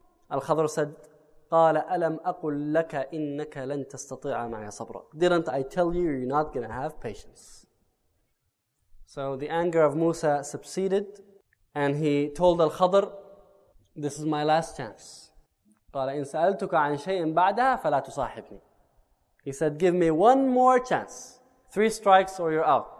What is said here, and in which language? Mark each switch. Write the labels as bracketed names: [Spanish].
[English] Al-Khadr said, [Arabic] قال ألم أقول لك إنك لن تستطيع معي صبرا. [English] Didn't I tell you you're not going to have patience? So the anger of Musa subsided, and he told Al-Khadr, "This is my last chance." [Arabic] قال إن سألتك عن شيء بعدها فلا تصاحبني. [English] He said, "Give me one more chance. Three strikes or you're out.